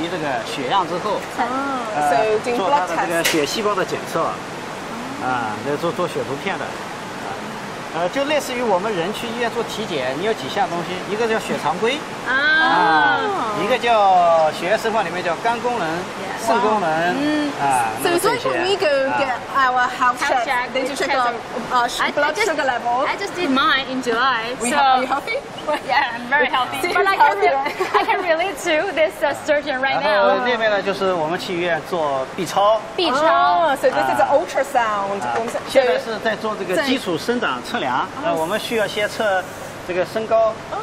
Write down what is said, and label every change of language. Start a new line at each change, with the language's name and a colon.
Chinese: 这里呢是准备给中华鲟就是采集这个血样之后，做它的这个血细胞的检测。 啊，那做血图片的。就类似于我们人去医院做体检，你有几项东西，一个叫血常规啊，一个叫血液生化里面叫肝功能、肾功能啊。
English: So it's like when we go get our health check, they just check our blood sugar level. I just did mine in July. Are you healthy? Yeah, I'm very healthy. But I can relate to this surgeon right now.
Chinese: 然后那边呢，就是我们去医院做 B 超。 B 超，
English: so this is ultrasound.
Chinese: 现在是在做这个基础生长测量。那我们需要先测这个身高、